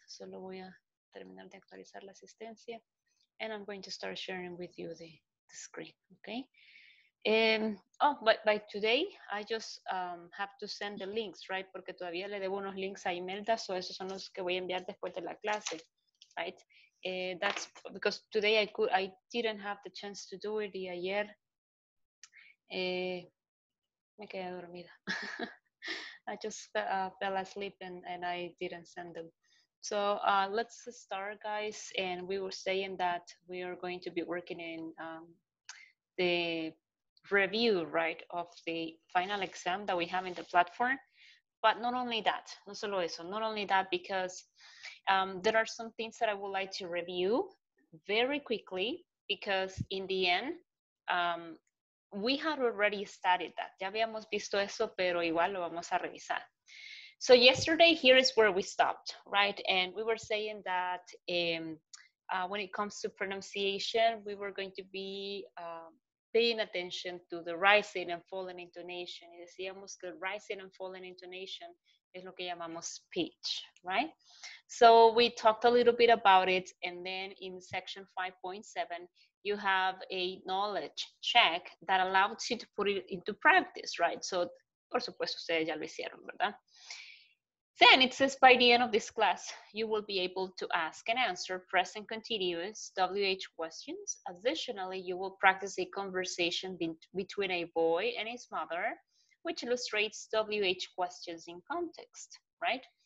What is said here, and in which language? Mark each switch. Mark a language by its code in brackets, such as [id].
[es] Solo voy a terminar de actualizar la asistencia. [en] And I'm going to start sharing with you the screen, okay? By today, I just have to send the links, right? [es] Porque todavía le debo unos links a Imelda, so esos son los que voy a enviar después de la clase, right? [en] That's because today I didn't have the chance to do it, [es] y ayer me quedé dormida. [en] I just fell asleep and I didn't send them. So let's start, guys, and we were saying that we are going to be working in the review, right, of the final exam that we have in the platform. But not only that, [es] no solo eso, [en] not only that, because there are some things that I would like to review very quickly, because in the end, we had already studied that. [es] Ya habíamos visto eso, pero igual lo vamos a revisar. [en] So yesterday, here is where we stopped, right? And we were saying that when it comes to pronunciation, we were going to be paying attention to the rising and falling intonation. [es] Y decíamos que [en] rising and falling intonation [es] es lo que llamamos pitch, right? [en] So we talked a little bit about it. And then in section 5.7, you have a knowledge check that allows you to put it into practice, right? [es] So, por supuesto, ustedes ya lo hicieron, ¿verdad? [en] Then it says, by the end of this class, you will be able to ask and answer present continuous WH questions. Additionally, you will practice a conversation between a boy and his mother, which illustrates WH questions in context, right?